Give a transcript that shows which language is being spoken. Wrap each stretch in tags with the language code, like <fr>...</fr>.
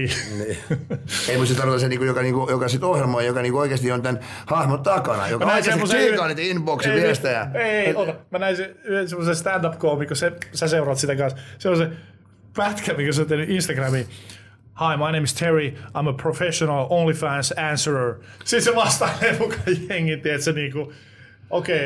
<fi>Ei, mutta se tarkoittaa se, joka sit ohjelmoi, joka niinku oikeasti on tämän hahmon takana, joka oikeasti tsiikaa niitä inboxin viestejä. Ei, mä näin se yhden semmoisen stand-up-koomikko, sä seuraat sitä kanssa. Se on se pätkä, mikä sä oot tehnyt Instagramiin.</fi> <en>Hi, my name is Terry. I'm a professional OnlyFans answerer.</en> <fi>Siis se vastailee mukaan jengi, tiedät sä niinku, okei.</fi>